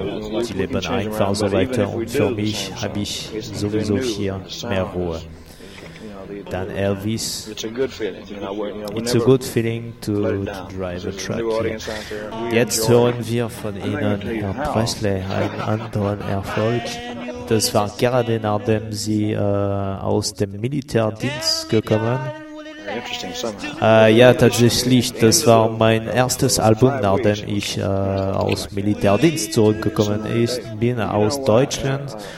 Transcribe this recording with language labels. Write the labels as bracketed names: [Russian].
[German] Die leben einfach so weiter und für mich habe ich sowieso hier mehr Ruhe. Dann Elvis. [English] It's a good feeling to drive a truck. [German] Jetzt hören wir von Ihnen, Herr Presley, einen anderen Erfolg. Das war gerade, nachdem Sie aus dem Militärdienst gekommen im Sommer? Ja, tatsächlich. Das war mein erstes Album, nachdem ich aus Militärdienst zurückgekommen bin aus Deutschland.